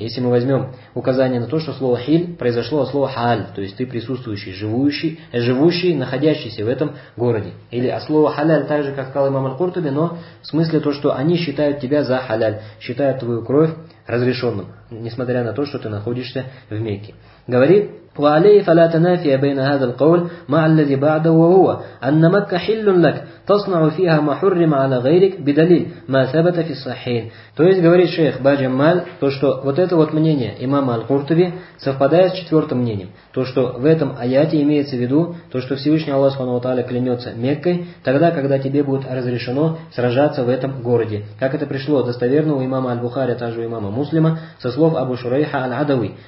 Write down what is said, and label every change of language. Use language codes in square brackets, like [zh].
[ru] Если мы возьмем указание на то, что слово «хиль» произошло от слова «хааль», то есть ты присутствующий, живущий, находящийся в этом городе. Или от слова «халяль», так же, как сказал имам Аль-Куртуби, но в смысле то, что они считают тебя за халяль, считают твою кровь разрешенным, несмотря на то, что ты находишься в Мекке. [ar] Говорит: وعليه فلا تنافي بين هذا القول مع الذي بعده وهو أن مكة حل لك تصنع فيها ما حرم على غيرك بدليل ما ثبت في الصحيحين. [ru] То есть говорит шейх Баджамал, то что вот это вот мнение имама Аль-Куртуби совпадает с четвертым мнением, то что в этом аяте имеется в виду то, что Всевышний Аллах Субхану ва Тааля клянется Меккой тогда, когда тебе будет разрешено сражаться в этом городе, как это пришло достоверно у имама Аль-Бухари, а также у имама Муслима со слов Абу Шурайха Аль-Адави.